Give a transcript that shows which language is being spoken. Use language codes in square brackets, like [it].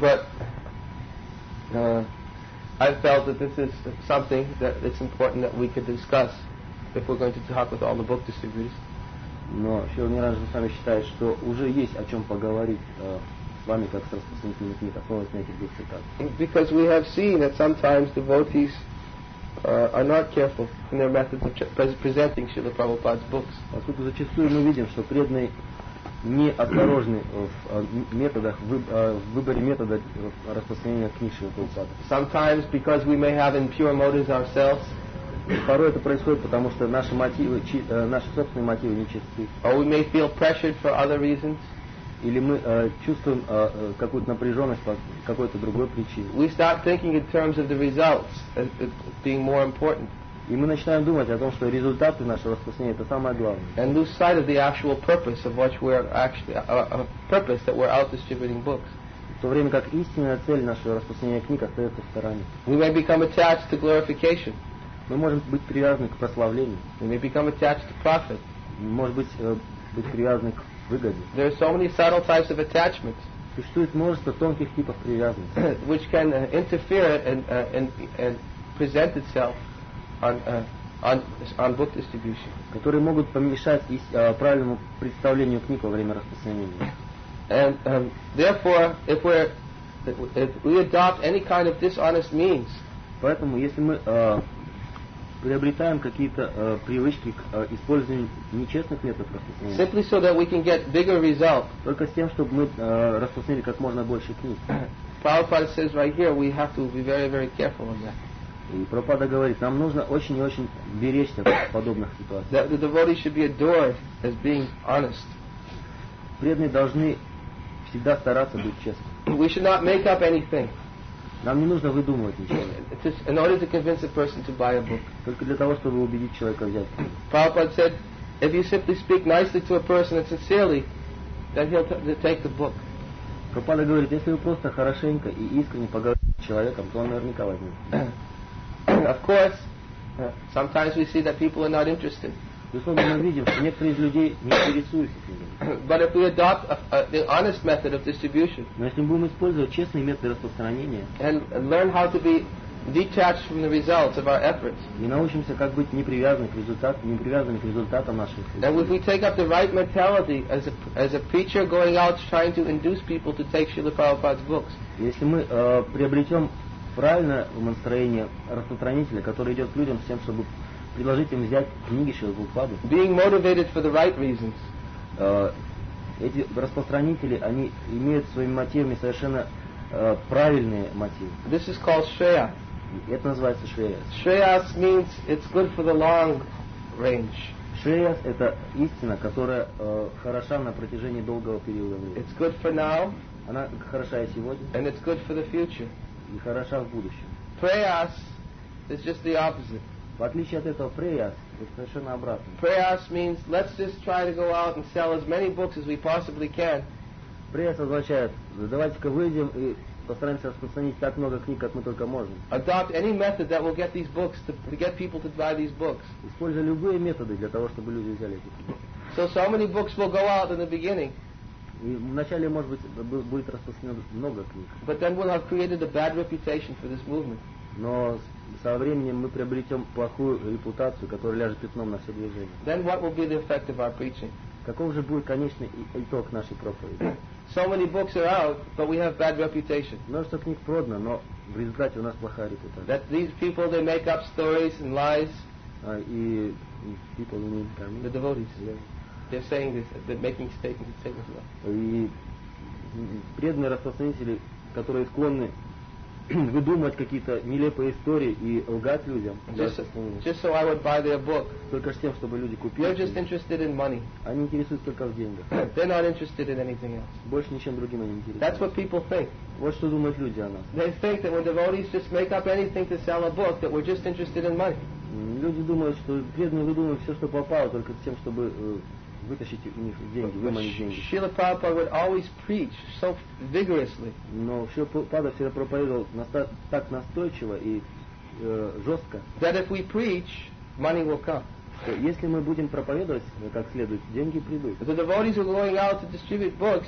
[en] But I felt that this is something that it's important that we could discuss if we're going to talk with all the book distributors. [ru] Но Фил Миранджо сам считает, что уже есть о чем поговорить с вами, как с распространителями книг, основываясь на этих двух цитатах. [en] Because we have seen that sometimes devotees are not careful in their methods of presenting Srila Prabhupada's books. [ru] Поскольку зачастую мы видим, что преданные неосторожны в методах в выборе метода распространения книг Шрилы Прабхупады. [en] Sometimes because we may have impure motives ourselves. [ru] Порой это происходит, потому что наши собственные мотивы нечисты. [en] Or we may feel pressured for other reasons. [ru] Или мы чувствуем какую-то напряженность по какой-то другой причине. [en] We start thinking in terms of the results as being more important. [ru] И мы начинаем думать о том, что результаты нашего распространения это самое главное. [en] And lose sight of the actual purpose of what we're actually purpose that we're out distributing books. [ru] В то время как истинная цель нашего распространения книг остается в стороне. [en] We may become attached to glorification. [ru] Мы можем быть привязаны к прославлению. [en] We may become attached to profit. [ru] Может быть привязаны к выгоде. [en] There are so many subtle types of attachments. [ru] Существует множество тонких типов привязанности. [en] Which can interfere and present itself on book distribution. [ru] Которые могут помешать правильному представлению книг во время распространения. [en] And therefore, if we adopt any kind of dishonest means. [ru] Поэтому, если мы приобретаем какие-то привычки к использованию нечестных методов распространения. [en] Simply so that we can get bigger result. [ru] Только с тем, чтобы мы распространили как можно больше книг. [en] Prabhupada says right here, we have to be very, very careful on that. [ru] И Прабхупада говорит, нам нужно очень и очень беречься от подобных ситуаций. [en] That the devotee should be adored as being honest. [ru] Преданные должны всегда стараться быть честными. [en] We should not make up anything. [ru] Нам не нужно выдумывать ничего. [en] In order to convince a person to buy a book. [ru] Только для того, чтобы убедить человека взять книгу. [en] Prabhupada said, if you simply speak nicely to a person and sincerely, then he'll take the book. [ru] Прабхупада говорит, если вы просто хорошенько и искренне поговорите с человеком, то он наверняка возьмет. [en] Of course, sometimes we see that people are not interested. [ru] Безусловно, мы видим, что некоторые из людей не интересуются книгами. [en] But if we adopt the honest method of distribution, [ru] но если мы будем использовать честные методы распространения, [en] and learn how to be detached from the results of our efforts, [ru] и научимся как быть непривязанными к результатам наших усилий, [en] and if we take up the right mentality as a preacher going out trying to induce people to take Srila Prabhupada's books, [ru] если мы приобретем правильное настроение распространителя, который идет к людям с тем, чтобы предложить им взять книги Шрилы Прабхупады. [en] Being motivated for the right reasons. [ru] Эти распространители, они имеют своими мотивами совершенно правильные мотивы. [en] This is called Shreya. [ru] Это называется Shreya. [en] Shreya means it's good for the long range. [ru] Шреяс – это истина, которая хороша на протяжении долгого периода времени. [en] It's good for now. [ru] Она хороша и сегодня. [en] And it's good for the future. [ru] И хороша в будущем. [en] Прейас – it's just the opposite. [ru] В отличие от этого, прейас – это совершенно обратно. [en] Прейас means let's just try to go out and sell as many books as we possibly can. [ru] Прейас означает, давайте-ка выйдем и постараемся распространить так много книг, как мы только можем. [en] Adopt any method that will get these books to get people to buy these books. [ru] Используя любые методы для того, чтобы люди взяли эти книги. [en] So many books will go out in the beginning. [ru] И вначале, может быть, будет распространено много книг. [en] But then we'll have created a bad reputation for this movement. [ru] Но со временем мы приобретем плохую репутацию, которая ляжет пятном на все движение. [en] Then what will be the effect of our preaching? [ru] Каков же будет конечный итог нашей проповеди? [en] So many books are out, but we have bad reputation. [ru] Множество книг продано, но в результате у нас плохая репутация. [en] That these people, they make up stories and lies. [ru] И [en] people, you mean, I mean? The devotees. Yeah. They're saying this, they're making statements and saying this. [ru] И преданные распространители, которые склонны выдумывать какие-то нелепые истории и лгать людям. [en] Just so I would buy their book. [ru] Только с тем, чтобы люди купили. [en] They're just interested in money. [ru] Они интересуются только в деньгах. [en] They're not interested in anything else. [ru] Больше ничем другим они не интересуются. [en] That's what people think. [ru] Вот что думают люди о нас. [en] They think that when devotees just make up anything to sell a book, that we're just interested in money. [ru] Люди думают, что преданные выдумывают все, что попало, только с тем, чтобы вытащить у них деньги, выманить деньги. [en] Srila Prabhupada would always preach so vigorously. [ru] Но Srila Prabhupada всегда проповедовал так настойчиво и жестко. [en] That if we preach, money will come. [ru] Если мы будем проповедовать как следует, деньги придут. [en] The devotees are going out to distribute books.